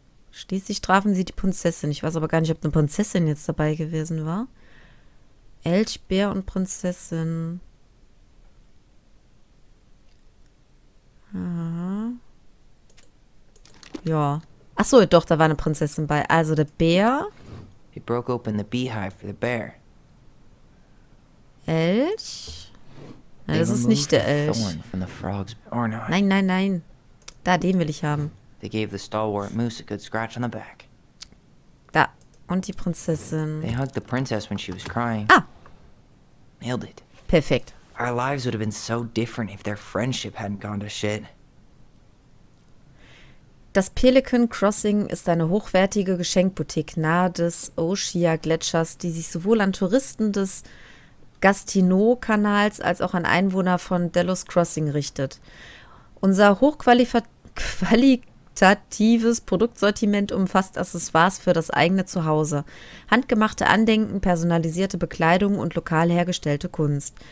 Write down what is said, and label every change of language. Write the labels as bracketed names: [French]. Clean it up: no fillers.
[German] Schließlich trafen sie die Prinzessin. Ich weiß aber gar nicht, ob eine Prinzessin jetzt dabei gewesen war. Elch, Bär und Prinzessin. Ja. Ach so, doch, da war eine Prinzessin bei. Also der Bär. [English] He broke open the beehive for the bear. [German] Elch? Nein, das ist nicht der Elch. Nein, nein, nein. Da, den will ich haben. [English] They gave the stalwart moose a good scratch on the back. [German] Da. Und die Prinzessin. [English] They hugged the princess when she was crying. Ah! Nailed it. [German] Perfekt. [English] Our lives would have been so different if their friendship hadn't gone to shit. [German] Das Pelican Crossing ist eine hochwertige Geschenkboutique nahe des Oshia-Gletschers, die sich sowohl an Touristen des Gastineau-Kanals als auch an Einwohner von Delos Crossing richtet. Unser hochqualitatives Produktsortiment umfasst Accessoires für das eigene Zuhause, handgemachte Andenken, personalisierte Bekleidung und lokal hergestellte Kunst.